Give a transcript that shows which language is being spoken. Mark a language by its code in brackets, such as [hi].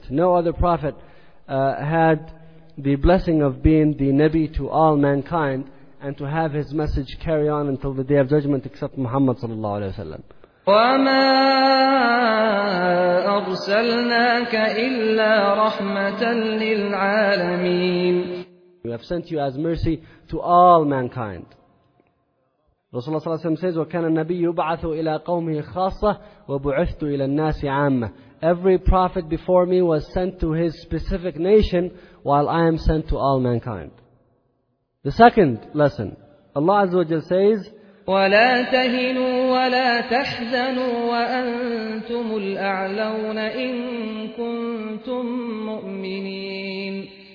[en] No other prophet had the blessing of being the Nabi to all mankind and to have his message carry on until the day of judgment except Muhammad sallallahu alaihi wasallam. [ar] وَمَا أَرْسَلْنَاكَ إِلَّا رَحْمَةً لِلْعَالَمِينَ. [en] We have sent you as mercy to all mankind. [ar] Rasulullah صلى الله عليه وسلم says, وَكَانَ النَّبِيُّ يُبْعَثُ إِلَىٰ قَوْمِهِ خَاصَّةً وَبُعِثْتُ إِلَىٰ النَّاسِ عَامَّةً. [en] Every prophet before me was sent to his specific nation, while I am sent to all mankind. The second lesson, Allah عز وجل says, [ar] وَلَا تَهِنُوا وَلَا تَحْزَنُوا وَأَنْتُمُ الْأَعْلَوْنَ إِن كُنْتُم مُؤْمِنِينَ.